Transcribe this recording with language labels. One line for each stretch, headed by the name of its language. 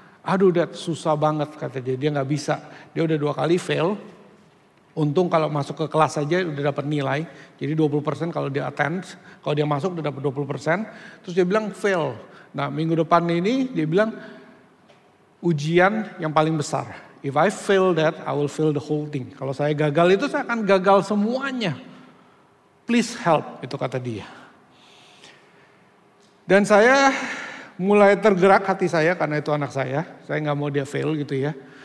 Indonesian: "Aduh, Dad, susah banget," kata dia. "Dia gak bisa. Dia udah 2 kali fail. Untung kalau masuk ke kelas aja udah dapat nilai. Jadi 20% kalau dia attend. Kalau dia masuk udah dapat 20%. Terus dia bilang fail. Nah, minggu depan ini dia bilang ujian yang paling besar.
English: If I fail that, I will fail the whole thing.
Indonesian: Kalau saya gagal itu, saya akan gagal semuanya.
English: Please help,"
Indonesian: itu kata dia. Dan saya mulai tergerak hati saya, karena itu anak saya gak mau dia fail gitu ya.